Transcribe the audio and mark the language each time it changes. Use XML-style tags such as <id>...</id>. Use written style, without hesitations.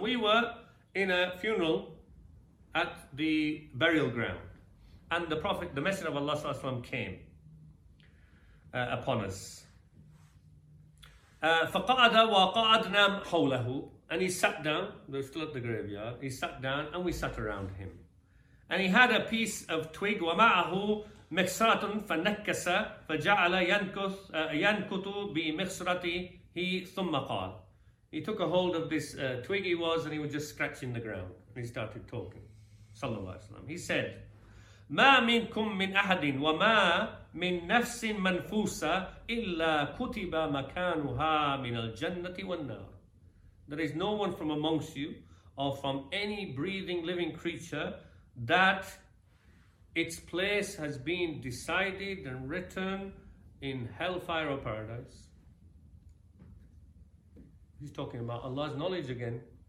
<en>We were in a funeral at the burial ground, and the Prophet, the Messenger of Allah sallallahu alaihi wasallam, came upon us.</en> <ar>فَقَعَدَ وَقَعَدْنَا حَوْلَهُ,</ar> <en>and he sat down. We're still at the graveyard. He sat down, and we sat around him. And he had a piece of twig,</en> <ar>وَمَعَهُ مخصرة فنكس فجعل ينكث ينكت بمخصرته ثم قال.</ar> <en>He took a hold of this twig he was, and he was just scratching the ground. And he started talking. Sallallahu alaihi wasallam. He said,</en> <ar>ما منكم من أحد وما من نفس منفوسة إلا كتب مكانها من الجنة والنار.</ar> <en>There is no one from amongst you or from any breathing living creature that its place has been decided and written in hellfire or paradise. He's talking about Allah's knowledge again.</en>